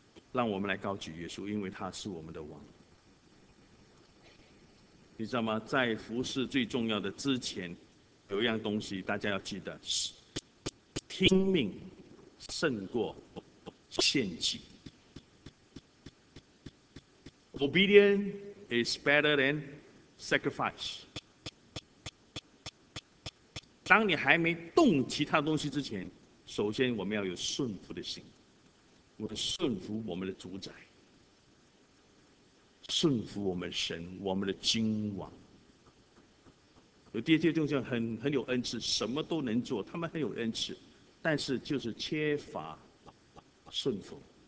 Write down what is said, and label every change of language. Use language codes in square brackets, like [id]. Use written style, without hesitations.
[zh] 让我们来高举耶稣，因为他是我们的王。你知道吗？在服事最重要的之前，有一样东西大家要记得，是听命胜过献祭。 [en] Obedience is better than sacrifice。 [zh] 当你还没动其他东西之前，首先我们要有顺服的心，我们顺服我们的主宰，顺服我们神，我们的君王。有这些弟兄很有恩赐，什么都能做，他们很有恩赐，但是就是缺乏顺服。